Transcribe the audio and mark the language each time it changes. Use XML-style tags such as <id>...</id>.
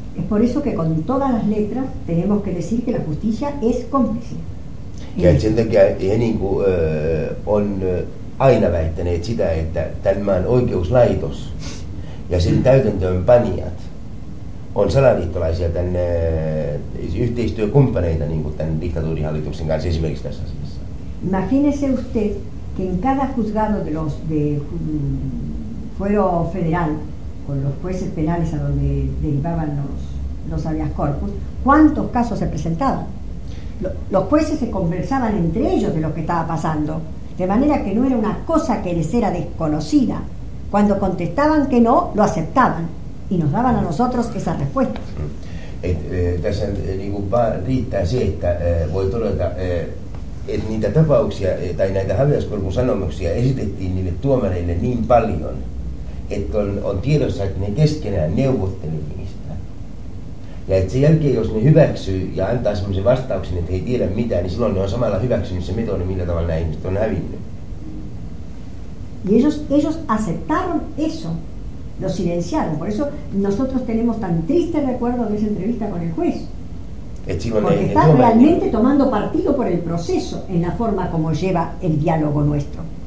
<es>Es por eso que con todas las letras tenemos que decir que la justicia es cómplice.</es> <fi>Ja sen takia he niin kuin on aina väittäneet sitä, että tämän maan oikeuslaitos ja sen täytäntöönpanijat on salaliittolaisia tämän yhteistyökumppaneita niin kuin tämän diktatuurihallituksen kanssa esimerkiksi tässä asiassa.</fi> <es>Imagínese usted que en cada juzgado de los de fuero federal con los jueces penales a donde derivaban los habeas corpus, ¿cuántos casos se presentaban? Los jueces se conversaban entre ellos de lo que estaba pasando, de manera que no era una cosa que les era desconocida. Cuando contestaban que no, lo aceptaban. Y nos daban a nosotros esa respuesta.</es> <fi>Tässä niinku vaan riittää se, että voi todeta, että niitä tapauksia tai näitä habeas corpus sanomuksia esitettiin niille tuomareille niin paljon, että on tiedossa, että ne keskenään neuvotteli niistä. Ja että sen jälkeen, jos ne hyväksyy ja antaa sellaisen vastauksen, että he ei tiedä mitään, niin silloin ne on samalla hyväksynyt se metodi, millä tavalla nämä ihmiset on hävinnyt.</fi> <es>Y ellos aceptaron eso. Lo silenciaron, por eso nosotros tenemos tan triste recuerdo de esa entrevista con el juez. Porque está realmente tomando partido por el proceso en la forma como lleva el diálogo nuestro.</es>